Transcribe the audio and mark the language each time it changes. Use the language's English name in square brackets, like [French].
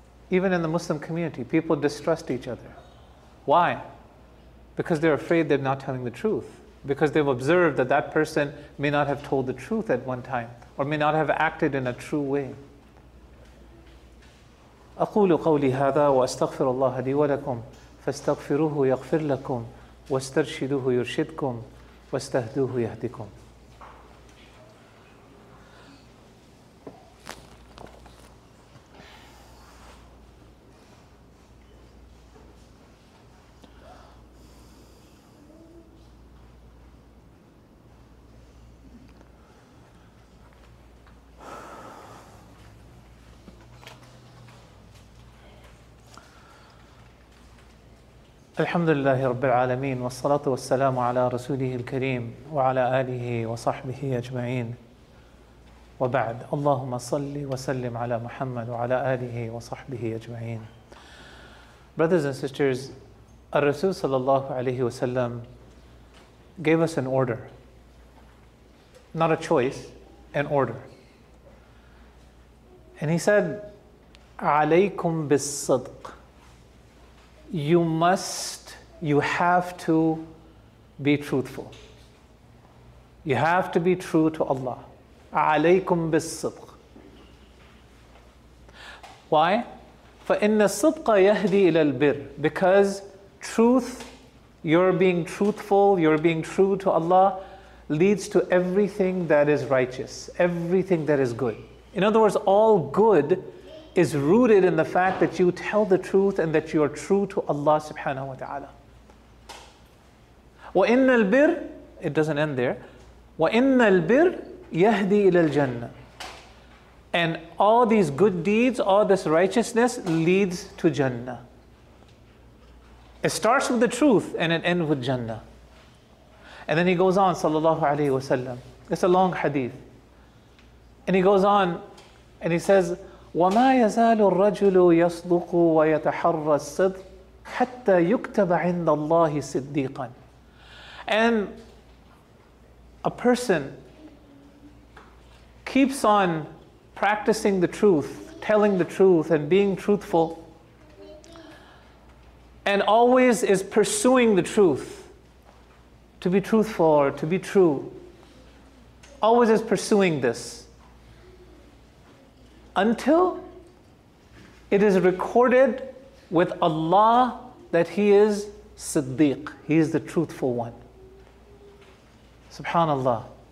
[English] Even in the Muslim community, people distrust each other. Why? Because they're afraid they're not telling the truth. Because they've observed that that person may not have told the truth at one time, or may not have acted in a true way. [Arabic] أقول قولي هذا وأستغفر الله لي ولكم فاستغفروه يغفر لكم واسترشدوه يرشدكم واستهدوه يهديكم. الحمد لله رب العالمين والصلاة والسلام على رسوله الكريم وعلى آله وصحبه أجمعين وبعد اللهم صلي وسلم على محمد وعلى آله وصحبه أجمعين. [English] Brothers and sisters, [Arabic] الرسول صلى الله عليه وسلم [English] gave us an order, not a choice, an order. And he said, [Arabic] عليكم بالصدق. [English] You have to be truthful. You have to be true to Allah. [Arabic] عَلَيْكُمْ بِالصِّدْقِ. [English] Why? [Arabic] فَإِنَّ الصِّدْقَ يَهْدِي إِلَى الْبِرِّ. [English] Because truth, you're being truthful, you're being true to Allah, leads to everything that is righteous, everything that is good. In other words, all good is rooted in the fact that you tell the truth and that you are true to Allah subhanahu wa ta'ala. [Arabic] وَإِنَّ الْبِرِّ, [English] it doesn't end there, [Arabic] وَإِنَّ الْبِرِّ يَهْدِي إِلَى الْجَنَّةِ. [English] And all these good deeds, all this righteousness leads to Jannah. It starts with the truth and it ends with Jannah. And then he goes on, sallallahu alayhi wa sallam. It's a long hadith. And he goes on and he says, [Arabic] وَمَا يَزَالُ الرَّجُلُ يَصْدُقُ وَيَتَحَرَّ الصِّدْقِ حَتَّى يُكْتَبَ عِنْدَ اللَّهِ صِدِّيقًا. [English] And a person keeps on practicing the truth, telling the truth, and being truthful, and always is pursuing the truth, to be truthful or to be true, always is pursuing this, until it is recorded with Allah that he is Siddiq, he is the truthful one. SubhanAllah.